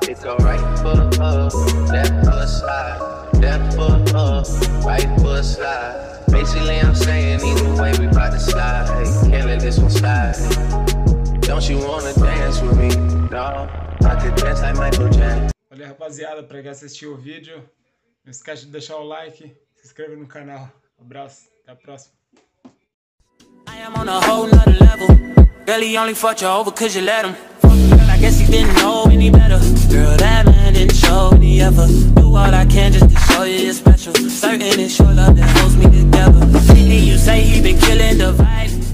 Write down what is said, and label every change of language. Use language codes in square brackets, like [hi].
[en] It go right foot up, left foot slide. Left foot up, right foot slide. Basically, I'm saying either way, we bout to slide. Hey, can't let this one slide. Don't you wanna dance with me, dawg? No, I could dance like Michael Jackson. [pt] Valeu, rapaziada, pra quem assistiu o vídeo, não esquece de deixar o like, se inscreve no canal. Um abraço, até a próxima. [en] I am on a whole nother level. Girl, he only fought you over cause you let him. Girl, I guess he didn't know any better. Girl, that man didn't show me ever. Do all I can just to show you it's special. Certain it's your love that holds me together. And you say he been killing the vibes.